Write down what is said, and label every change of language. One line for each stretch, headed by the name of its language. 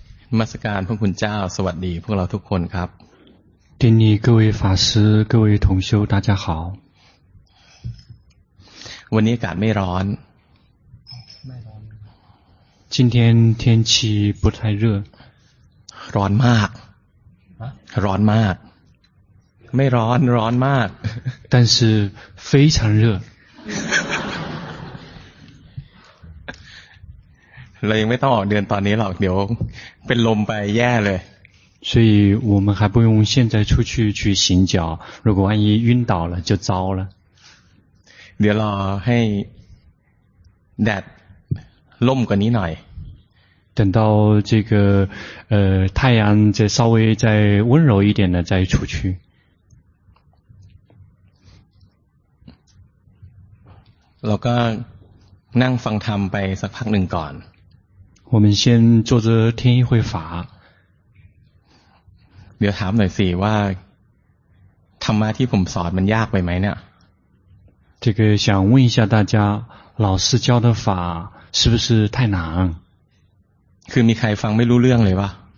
Thai: นมัสการพระคุณเจ้าสวัสดีพวกเราทุกคนครับ
Chinese: ที่นี่各位法师各位同修大家好
Thai: วันนี้อากาศไม่ร้อน
Chinese: 今天天气不太热
Thai: ร้อนมากร้อนมากไม่ร้อนร้อนมาก
Chinese: 但是非常热
Thai: เรายังไม่ต้องออกเดินตอนนี้หรอกเดี๋ยวเป็นลมไปแย่เลย
Chinese: 所以我们还不用现在出去去行脚如果万一晕倒了就糟了
Thai: เดี๋ยวรอให้แดดล่มกว่านี้หน่อย
Chinese: 等到这个太阳再稍微再温柔一点了再出去
Thai: เราก็นั่งฟังธรรมไปสักพักหนึ่งก่อน
Chinese: 我们先坐着听一会法
Thai: เดี๋ยวถามหน่อยสิว่าธรรมะที่ผมสอนมันยากไปไหมเนี่ย
Chinese: 这个想问一下大家老师教的法是不是太难
Thai: คือมีใครฟังไม่รู้เรื่องเลยวะ